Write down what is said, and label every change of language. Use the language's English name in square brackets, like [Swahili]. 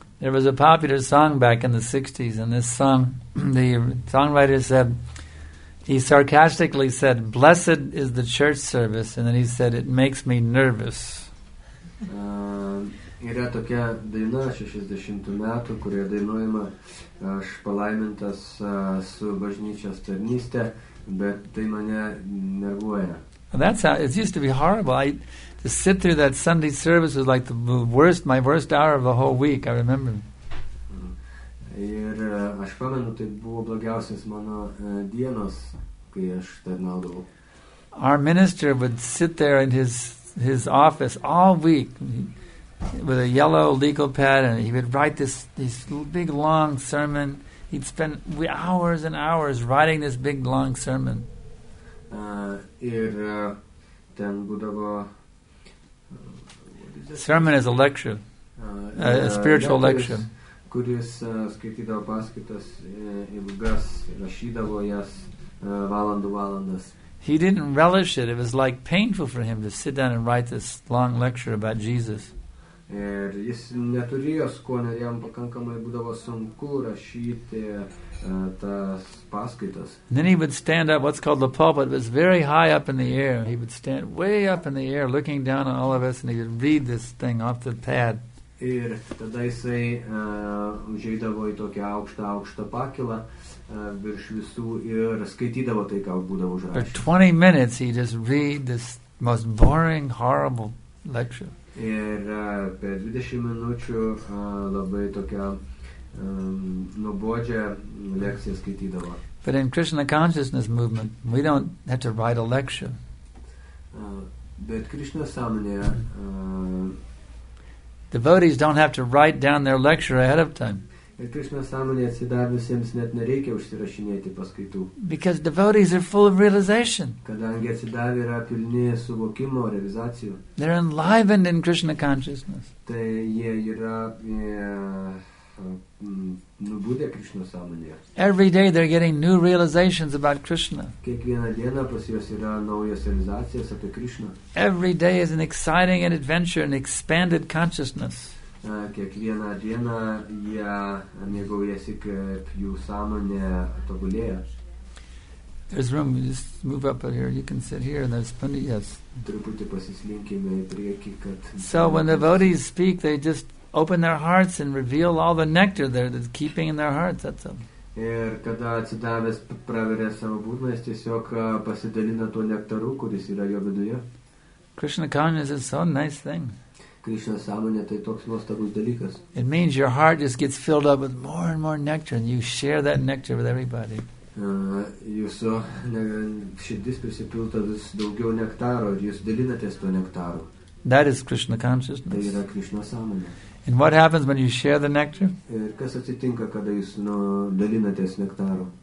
[English] There was a popular song back in the 60s, and this song, the songwriter said, he sarcastically said, blessed is the church service, and then he said, it makes me nervous. [Lithuanian] Yra tokia daina 60 metų, kurioje dainuojama, aš palaimintas su bažnyčios tarnyste, bet tai mane nervuoja. [English] That's how it used to be horrible. I to sit through that Sunday service was like the worst, my worst hour of the whole week. I remember. [Lithuanian] Ir aš pamenu, tai buvo blogiausias mano dienos, kai aš tarnaudavau. [English] Our minister would sit there in his office all week with a yellow legal pad, and he would write this big long sermon. He'd spend hours and hours writing this big long sermon. [Lithuanian] Ten būdavo [English] sermon is a lecture, a spiritual lecture. [Lithuanian] Kuris skaitydavo paskaitas ilgas, rašydavo jas valandų valandas. [English] He didn't relish it. It was like painful for him to sit down and write this long lecture about Jesus. [Lithuanian] Ir jis neturėjo skonio, jam pakankamai būdavo sunku rašyti tas paskaitas. [English] Then he would stand up, what's called the pulpit, was very high up in the air. He would stand way up in the air, looking down on all of us, and he would read this thing off the pad. [Lithuanian] Ir tada jisai užeidavo į tokią aukštą pakilą virš visų ir skaitydavo tai, ką būdavo užrašęs. [English] For 20 minutes he just read this most boring, horrible lecture. [Lithuanian] Ir per 20 minučių labai tokia nuobodžią lekciją skaitydavo. [English] But in Krishna consciousness movement, we don't have to write a lecture. [Lithuanian] Bet Krishna sąmonė, [English] devotees don't have to write down their lecture ahead of time. [Lithuanian] Ir Krishna sąmonė atsidavusiems net nereikia užsirašinėti paskaitų. [English] Because devotees are full of realization. [Lithuanian] Kadangi atsidavę yra pilni suvokimo, realizacijų. [English] They're enlivened in Krishna consciousness. [Lithuanian] Tai jie yra nubudę Krishna sąmonėje. [English] Every day they're getting new realizations about Krishna. [Lithuanian] Kiekvieną dieną pas juos yra naujos realizacijos apie Krishna. [English] Every day is an exciting adventure, an expanded consciousness. [Lithuanian] Kiekvieną dieną jie mėgaujasi, kaip jų sąmonė tobulėja. [English] There's room, you just move up here, you can sit here, and there's plenty, yes. [Lithuanian] Truputį pasislinkime į priekį, kad... [English] So when the devotees speak, they just open their hearts and reveal all the nectar there that's keeping in their hearts, that's all. [Lithuanian] Ir kada atsidavęs praveria savo burną, jis tiesiog pasidalina tuo nektaru, kuris yra jo viduje. [English] Krishna consciousness is so nice thing. [Lithuanian] Krishna sąmonė tai toks nuostabus dalykas. [English] It means your heart just gets filled up with more and more nectar and you share that nectar with everybody. [Lithuanian] Jūsų širdis prisipilta vis daugiau nektaro ir jūs dalinatės to nektaro. [English] That is Krishna consciousness. [Lithuanian] Tai yra Krishna sąmonė. [English] And what happens when you share the nectar? [Lithuanian] Ir kas atsitinka, kada jūs dalinatės nektaro?